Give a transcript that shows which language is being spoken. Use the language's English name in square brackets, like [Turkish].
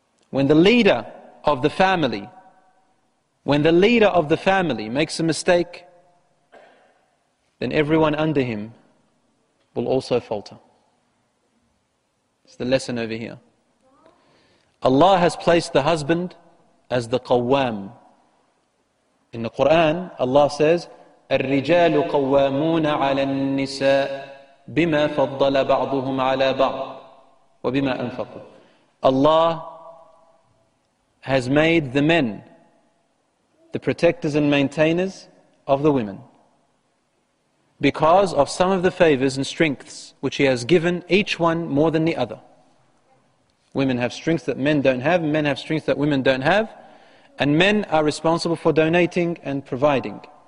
[English] When the leader of the family, makes a mistake, then everyone under him will also falter. It's the lesson over here. Allah has placed the husband as the qawwam. In the Quran, Allah says, [Arabic] الرجال قوامون على النساء بما فضل بعضهم على بعض وبما أنفقوا. [English] Allah has made the men the protectors and maintainers of the women because of some of the favors and strengths which He has given each one more than the other. Women have strengths that men don't have, men have strengths that women don't have, and men are responsible for donating and providing.